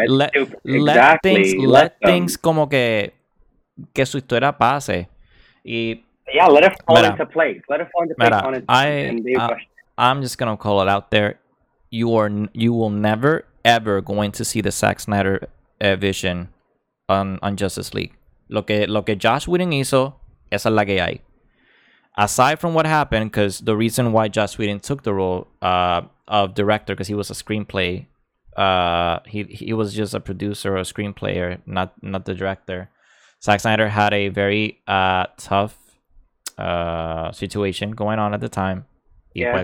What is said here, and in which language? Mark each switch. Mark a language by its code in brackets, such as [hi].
[en] let things [es] como que su historia pase. [en] Let it fall into place. I'm just gonna call it out there. You will never ever going to see the Zack Snyder vision on Justice League. [es] Lo que Josh Whedon hizo, esa es la que hay. [en] Aside from what happened, because the reason why Josh Whedon took the role of director, because he was a screenplay, he was just a producer or a screenplayer, not the director. Zack Snyder had a very tough situation going on at the time. Yeah.